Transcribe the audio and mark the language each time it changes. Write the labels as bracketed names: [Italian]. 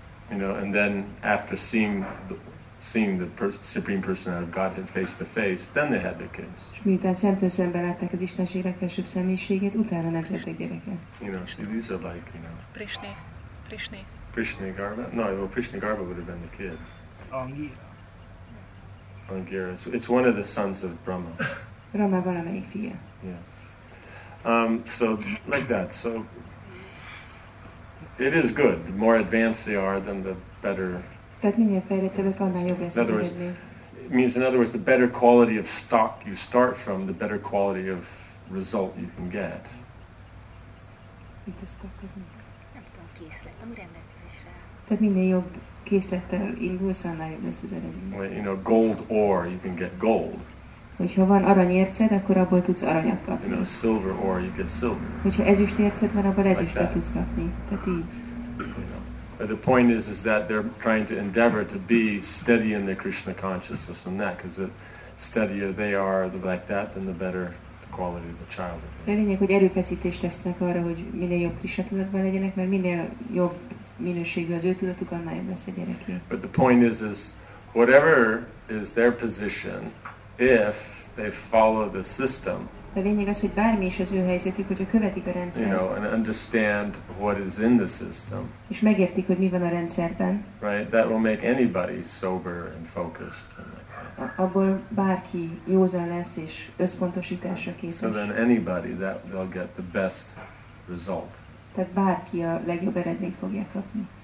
[English] You know, and then after seeing the Supreme Personality of Godhead face to face, then they had their kids. [Hungarian] Miután szemtől szembe látták az Istenség legfelsőbb személyiséget, utána nemzettek gyereket. [English] You know, see, these are like, you know... Prishni Garba? No, well, Prishni Garba would have been the kid. Angira. It's one of the sons of Brahma. [Hungarian] Brahma valamelyik fia. [English] Yeah. So, like that. So, it is good. The more advanced they are, then the better... [Hungarian] Tehát minél fejlettebbek, annál jobb lesz az eredmény. [English] Means, in other words, the better quality of stock you start from, the better quality of result you can get. [Hungarian] Itt a stock az mi? Nem tudom, készletem, rendelkezésre. Tehát minél jobb készlettel indulsz, annál jobb lesz az eredmény. [English] You know, gold ore, you can get gold. [Hungarian] Hogyha van aranyérced, akkor abból tudsz aranyat kapni. [English] You know, silver ore, you get silver. [Hungarian] Hogyha ezüstérced van, abból ezüstet like tudsz kapni. Tehát így. [English] But the point is that they're trying to endeavor to be steady in their Krishna consciousness and that, because the steadier they are like that, then the better the quality of the child. [Hungarian] A lényeg, hogy erőfeszítést tesznek arra, hogy minél jobb Krishna tudatban legyenek, mert minél jobb minőségű az ő tudatuk, annál jobb lesz a gyereké. [English] But the point is whatever is their position, if they follow the system, [Hungarian] a lényeg az, hogy bármi is az ő helyzetük, hogyha követik a rendszert. [English] You know, and understand what is in the system. [Hungarian] És megértik, hogy mi van a rendszerben. [English] Right, that will make anybody sober and focused. [Hungarian] Abból bárki józan lesz és összpontosításra készül. [English] So then anybody, that they'll get the best result. Tehát bárki a legjobb eredményt fogja kapni.